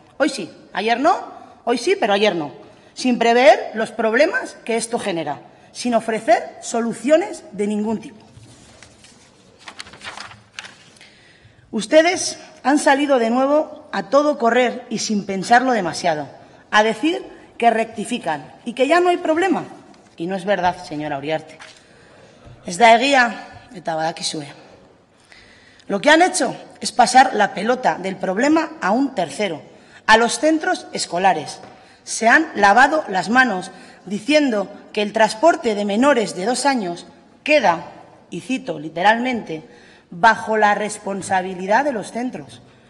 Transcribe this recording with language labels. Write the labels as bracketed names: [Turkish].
[Spanish] Hoy sí, ayer no. Hoy sí, pero ayer no, sin prever los problemas que esto genera, sin ofrecer soluciones de ningún tipo. Ustedes han salido de nuevo a todo correr y sin pensarlo demasiado, a decir que rectifican y que ya no hay problema. Y no es verdad, señora Uriarte. [Basque] Ez da egia, eta badakizue. [Spanish] Lo que han hecho es pasar la pelota del problema a un tercero, a los centros escolares. Se han lavado las manos diciendo que el transporte de menores de 2 años queda, y cito literalmente, bajo la responsabilidad de los centros.